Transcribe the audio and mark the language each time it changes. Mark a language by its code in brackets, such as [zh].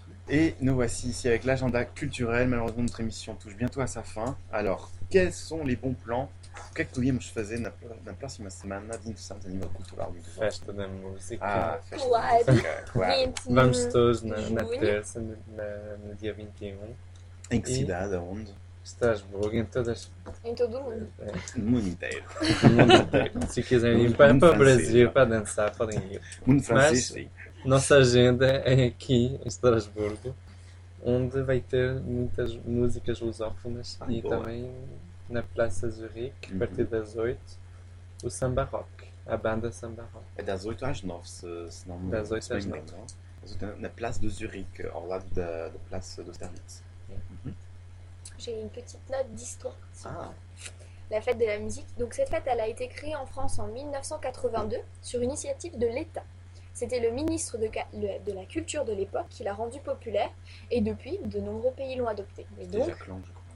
[fr] Et nous voici ici avec l'agenda culturel. Malheureusement, notre émission touche bientôt à sa fin. Alors, quels sont les bons plans? [pt] O que é que podíamos fazer na próxima semana de interessante a nível cultural? Festa da música. Ah, festa claro. Da música. Claro. Vamos todos na terça, no dia 21. Em que cidade? Aonde? Estrasburgo, em todas. Em todo o mundo. No mundo inteiro. Se quiserem ir para o Brasil, não. Para dançar, podem ir. Mundo francês, sim. Nossa agenda é aqui, em Estrasburgo, onde vai ter muitas músicas lusófonas e boa. Também. Na Praça Zurique, a partir das 8, o Samba Rock, a banda Samba Rock. É das 8 às 9, se não me engano. Das 8 às 9. Não? Na Praça de Zurique, ao lado da Praça do Sternitz. [fr] J'ai une petite note d'histoire. La fête de la musique. Donc, cette fête, elle a été créée en France en 1982 sur initiative de l'État. C'était le ministre de la culture de l'époque qui l'a rendue populaire et depuis, de nombreux pays l'ont adoptée. C'est déjà clan, je crois.